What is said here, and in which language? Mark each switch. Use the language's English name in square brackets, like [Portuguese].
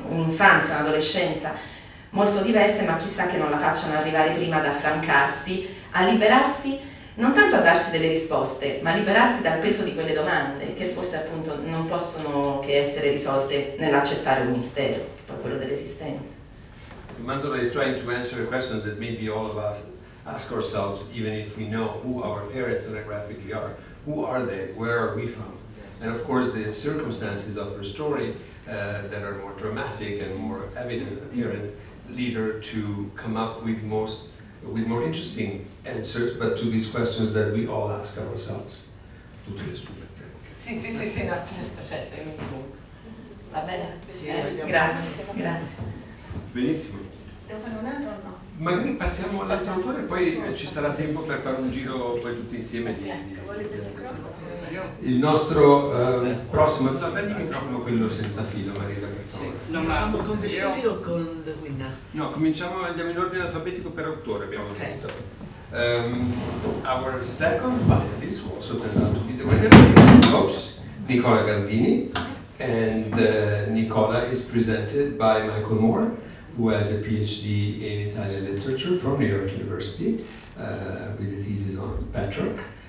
[Italian] un'infanzia, un'adolescenza molto diverse, ma chissà che non la facciano arrivare prima ad affrancarsi, a liberarsi, non tanto a darsi delle risposte, ma a liberarsi dal peso di quelle domande che forse appunto non possono che essere risolte nell'accettare un mistero, proprio quello dell'esistenza. [English] Mandola is trying to answer a question that maybe all of us ask ourselves, even if we know who our parents anagraphically are. Who are they? Where are we from? And of course, the circumstances of her story that are more dramatic and more evident, apparent, lead her to come up with more interesting answers, but to these questions that we all ask ourselves. [Italian] Sì, sì, sì, sì, no, certo, va bene. Grazie, grazie. Benissimo. Devo fare un altro, no? Magari passiamo all'altro autore e poi ci sarà tempo per fare un giro poi tutti insieme. Sì, il nostro prossimo. No, prendi il microfono, quello senza filo, Maria, per favore. Sì. Cominciamo con Vittorio o con The Winner? No, cominciamo, andiamo in ordine alfabetico per autore, abbiamo detto. [English] Our second finalist was also The Winner, Nicola Gardini. And Nicola is presented by Michael Moore, who has a PhD in Italian literature from New York University with a thesis on Petrarch.